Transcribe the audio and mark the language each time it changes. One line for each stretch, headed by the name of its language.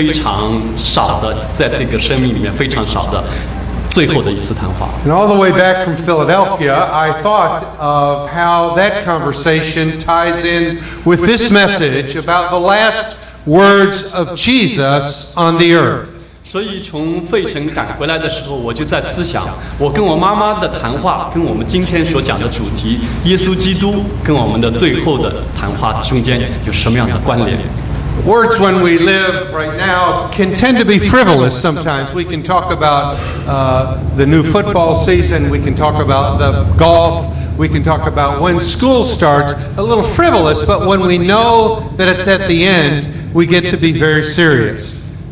Chinese: 这是一个很特别的一次的谈话，这是我跟我的妈妈之间，有可能是非常少的，在这个生命里面非常少的。
English: And all the way back from Philadelphia, I thought of how that conversation ties in with this message about the last words of Jesus on the earth.
Chinese: 所以从费城赶回来的时候，我就在思想，我跟我妈妈的谈话，跟我们今天所讲的主题，耶稣基督跟我们的最后的谈话中间有什么样的关联。
English: Words when we live right now can tend to be frivolous sometimes. We can talk about the new football season, we can talk about the golf, we can talk about when school starts, a little frivolous, but when we know that it's at the end, we get to be very serious.